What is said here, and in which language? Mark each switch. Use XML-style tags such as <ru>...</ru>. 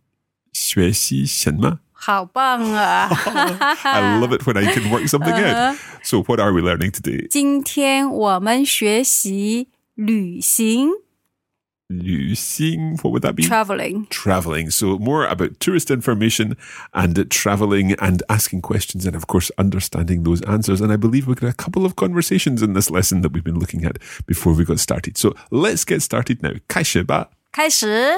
<zh>今天我们学习什么？好棒啊！</zh> <en>I love it when I can work something out. So what are we learning today?</en> <zh>今天我们学习旅行。旅行,</zh> <en>what would that be? Traveling. Traveling. So more about tourist information and traveling and asking questions and, of course, understanding those answers. And I believe we've got a couple of conversations in this lesson that we've been looking at before we got started. So let's get started now.</en> <zh>开始吧。开始.</zh>